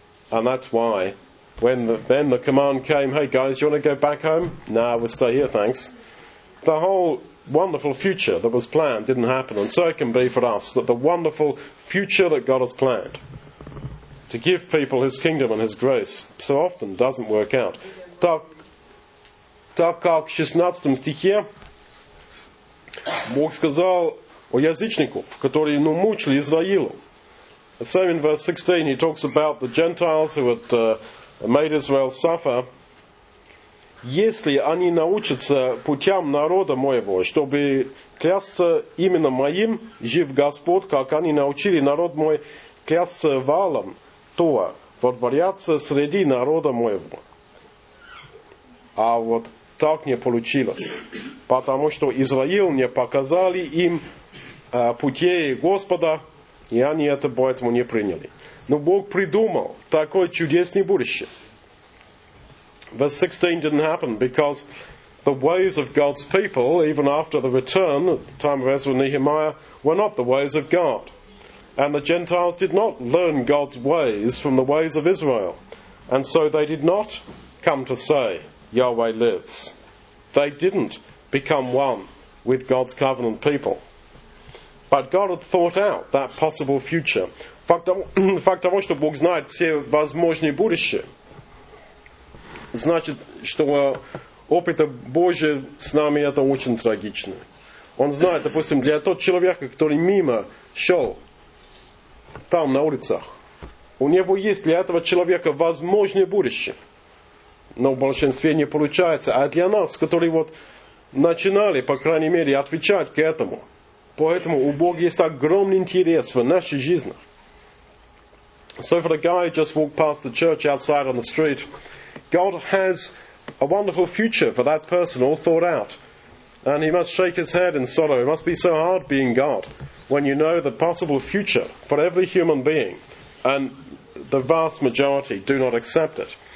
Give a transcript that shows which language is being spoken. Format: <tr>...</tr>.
<en>And that's why, when the command came, hey guys, you want to go back home? Nah, we'll stay here, thanks. The whole wonderful future that was planned didn't happen. And so it can be for us, that the wonderful future that God has planned to give people His kingdom and His grace so often doesn't work out.</en> <ru>Так как в 16 стихе Бог сказал о язычников, которые мучили Израилу.</ru> <en>The same in verse 16, he talks about the Gentiles who had made Israel suffer.</en> <ru>Если они научатся путям народа моего, чтобы клясться именно моим, жив Господь, как они научили народ мой клясться валом, то подворятся среди народа моего. А вот так не получилось, потому что Израил не показали им путей Господа, и они это поэтому не приняли. Но Бог придумал такое чудесное будущее.</ru> <en>Verse 16 didn't happen because the ways of God's people, even after the return at the time of Ezra and Nehemiah, were not the ways of God. And the Gentiles did not learn God's ways from the ways of Israel. And so they did not come to say, Yahweh lives. They didn't become one with God's covenant people. But God had thought out that possible future.</en> <ru>Факт того, что Бог знает все возможные будущие, значит, что опыт Божий с нами это очень трагично. Он знает, допустим, для того человека, который мимо шел там на улицах, у него есть для этого человека возможное будущее. Но в большинстве не получается. А для нас, которые вот начинали, по крайней мере, отвечать к этому, поэтому у Бога есть огромный интерес в нашей жизни.</ru> <en>So for the guy who just walked past the church outside on the street, God has a wonderful future for that person all thought out. And he must shake his head in sorrow. It must be so hard being God when you know the possible future for every human being and the vast majority do not accept it.</en>